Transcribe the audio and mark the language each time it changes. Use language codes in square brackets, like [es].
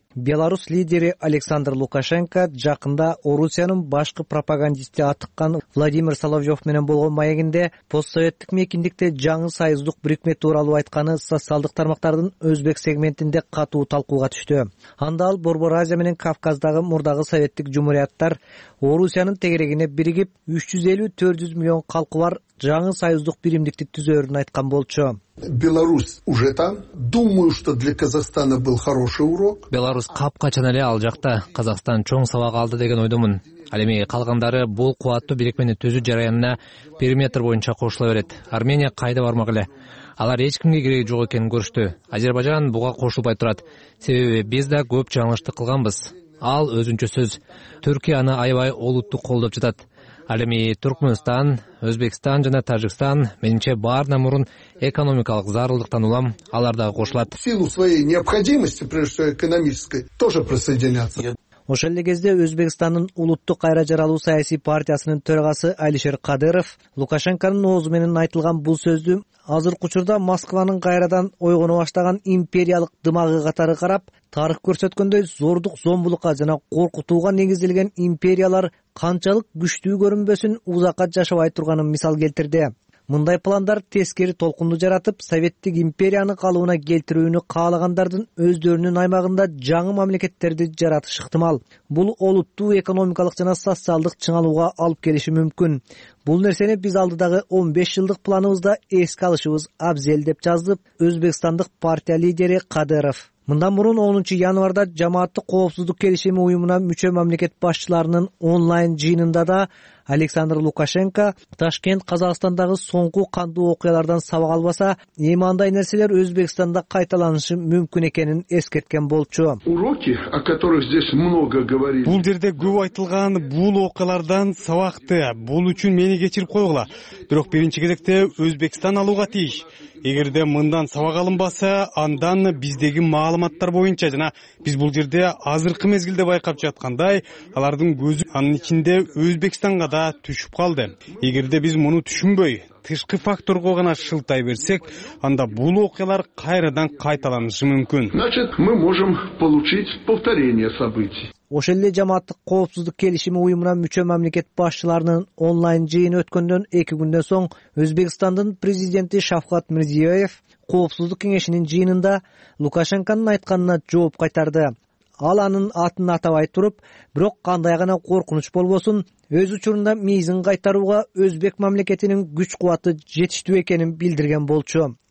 [ky] Беларус лидери Александр Лукашенко жакында Орусиянын башкы пропагандисти атыккан Владимир Соловьев менен болгон маегинде постсоветтик мекиндикте жаңы союздук бирикме тууралуу айтканы социалдык тармактардын өзбек сегментинде катуу талкууга түштү. Анда ал Борбор Азия менен Кавказдагы мурдагы советтик жумурияттар Орусиянын тегерегине биригип 350-400 миллион калкы бар жаңы союздук биримдикти түзөрүн айткан болчу. [ru] Беларусь уже там. Думаю, что для Казахстана был хороший урок. [ky] Беларусь капкачан эле ал жакта. Казахстан чоң сабак алды деген ойдомун. Ал эми калгандары бул кубаттуу бирикмени түзүү жараянына периметр боюнча кошула берет. Армения кайда бармак эле? Алар эч кимге кереги жок экенин көрүштү. Азербайджан буга кошулбай турат. Себеби биз да көп жаңылышты кылганбыз. Ал өзүнчө сөз. Түркия аны аябай олутту колдоп жатат. Ал эми Түркмөнстан, Өзбекстан жана Тажикстан менимче баарынан мурун экономикалык зарылдыктан улам алар дагы кошулат. [ru] В силу своей необходимости, прежде всего экономической, тоже присоединятся. [ky] Ошол эле кезде Өзбекстандын улуттук кайра жаралуу саясий партиясынын төрагасы Алишер Кадыров Лукашенконун оозу менен айтылган бул сөздү азыркы учурда Москванын кайрадан ойгоно баштаган империялык дымагы катары карап, тарых көрсөткөндөй зордук зомбулукка жана коркутууга негизделген империялар канчалык күчтүү көрүнбөсүн узакка жашабай турганын мисал келтирди. Мындай пландар тескери толкунду жаратып, советтик империяны калыбына келтирүүнү каалагандардын өздөрүнүн аймагында жаңы мамлекеттерди жаратыш ыктымал. Бул олуттуу экономикалык жана социалдык чыңалууга алып келиши мүмкүн. Бул нерсени биз алдыдагы 15 жылдык планыбызда эске алышыбыз абзел деп жазып, Өзбекстандык партия лидери Кадыров. Мындан мурун 10 январда жамааттык коопсуздук келишими уюмуна мүчө мамлекет башчыларынын онлайн жыйынында да Александр Лукашенко Ташкент Казакстандагы соңку кандуу окуялардан сабак албаса, эми андай нерселер Өзбекстанда кайталанышы мүмкүн экенин эскерткен болчу. [ru] Уроки, о которых здесь много говорили. [ky] Бул жерде көп айтылган бул окуялардан сабакты. Бул үчүн мени кечирип койгула. Бирок биринчи кезекте Өзбекстан алууга тийиш. Эгерде мындан сабак алынбаса, андан биздеги маалыматтар боюнча жана биз бул жерде азыркы мезгилде байкап жаткандай, алардын көзү анын ичинде Өзбекстан да түшүп калды. Эгерде биз муну түшүнбөй, тышкы факторго гана шылтай берсек, анда бул окуялар кайрадан кайталанышы мүмкүн. [ru] Значит, мы можем получить повторение событий. [ky] Ошол эле жамааттык коопсуздук келишими уюмуна мүчө мамлекет башчыларынын онлайн жыйыны өткөндөн 2 күндөн соң Өзбекстандын президенти Шавкат Мирзиёев коопсуздук кеңешинин жыйынында Лукашенконун айтканына жооп кайтарды. Ал анын атын атабай туруп, бирок кандай гана коркунуч болбосун, өз учурунда мийизин кайтарууга өзбек мамлекетинин күч кубаты жетиштүү экенин билдирген болчу.